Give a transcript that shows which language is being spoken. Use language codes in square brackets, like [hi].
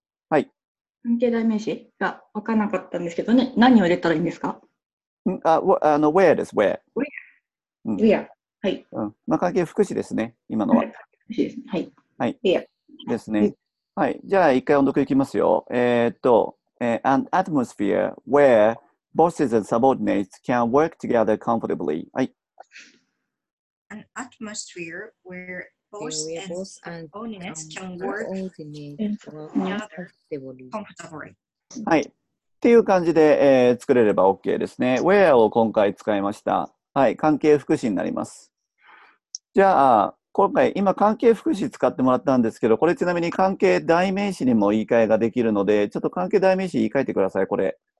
[ja] はい。関係代名詞が分からなかったんですけどね、何を入れたらいいんですか？ where です、where。 where、はい。うん、まあ、関係副詞ですね、今のは。はい。はい。 [en] where [ja] ですね。はい。じゃあ、一回音読いきますよ。 [en] an atmosphere where bosses and subordinates can work together comfortably. [ja] はい。 [en] an atmosphere where bosses and subordinates can work together comfortably. [ja] はい。っていう感じで、作れれば OK ですね。 where を今回使いました。はい。関係副詞になります。じゃあ、今回、今関係副詞使ってもらったんですけど、これちなみに関係代名詞にも言い換えができるので、ちょっと関係代名詞言い換えてください。これ。